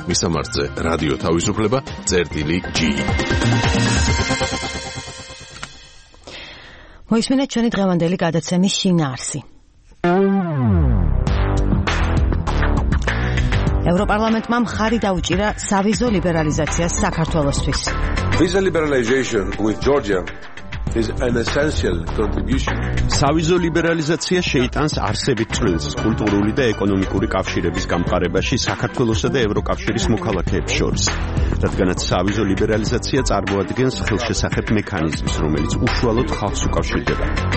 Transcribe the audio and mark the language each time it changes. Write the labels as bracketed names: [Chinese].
[Georgian] მისამართზე რადიო თავისუფლება _ g. მოისმინეთ ჩვენი დღევანდელი გადაცემის შინაარსი. ევროპარლამენტმა მხარი დაუჭირა სავიზო ლიბერალიზაციას საქართველოსთვის. [English] Visa liberalization with Georgia is an essential contribution. [Georgian] სავიზო ლიბერალიზაცია შეიტანს არსებით წვლილს კულტურული და ეკონომიკური კავშირების გამყარებაში საქართველოსა და ევროკავშირის მოქალაქეებს შორის. რადგანაც სავიზო ლიბერალიზაცია წარმოადგენს ხელშესახებ მექანიზმს, რომელიც უშუალოდ ხალხს უკავშირდება.